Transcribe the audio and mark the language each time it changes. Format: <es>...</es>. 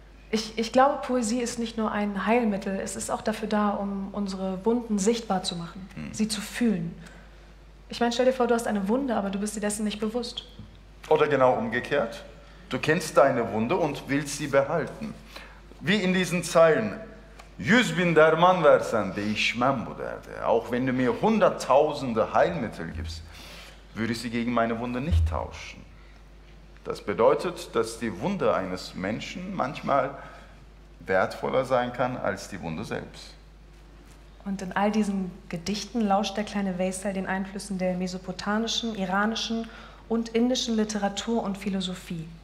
<de>Ich glaube, Poesie ist nicht nur ein Heilmittel. Es ist auch dafür da, um unsere Wunden sichtbar zu machen, sie zu fühlen. Ich meine, stell dir vor, du hast eine Wunde, aber du bist dir dessen nicht bewusst. Oder genau umgekehrt. Du kennst deine Wunde und willst sie behalten. Wie in diesen Zeilen.</de> <tr>Yüz bin derman versen, değişmem bu derde.</tr> <de>Auch wenn du mir hunderttausende Heilmittel gibst, würde ich sie gegen meine Wunde nicht tauschen. Das bedeutet, dass die Wunde eines Menschen manchmal wertvoller sein kann als die Wunde selbst. Und in all diesen Gedichten lauscht der kleine Veysel den Einflüssen der mesopotamischen, iranischen und indischen Literatur und Philosophie.</de>